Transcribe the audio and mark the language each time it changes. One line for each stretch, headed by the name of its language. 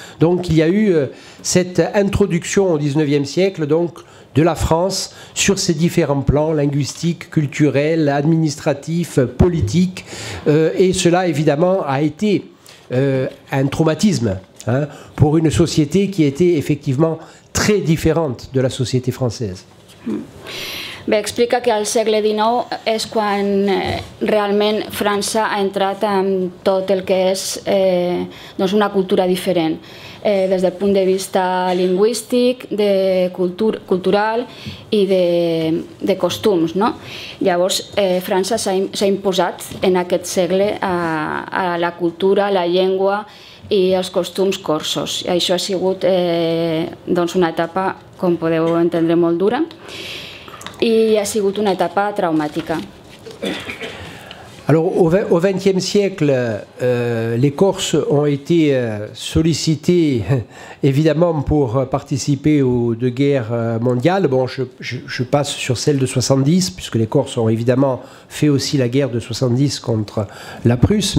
French: Donc il y a eu cette introduction au 19e siècle, donc, de la France sur ses différents plans linguistiques, culturels, administratifs, politiques, et cela évidemment a été un traumatisme, hein, pour une société qui était effectivement très différente de la société française.
Catalan: Bé, explica que al segle XIX és quan realment França ha entrat en tot el que és doncs una cultura diferent, des del punt de vista lingüístic, cultural i de costums, no? Llavors França s'ha imposat en aquest segle a la cultura, la llengua i els costums corsos. I això ha sigut doncs una etapa com podeu entendre, molt dura, i ha sigut una etapa traumàtica.
French: Alors, au XXe siècle, les Corses ont été sollicités, évidemment, pour participer aux deux guerres mondiales. Bon, je passe sur celle de 70, puisque les Corses ont évidemment fait aussi la guerre de 70 contre la Prusse.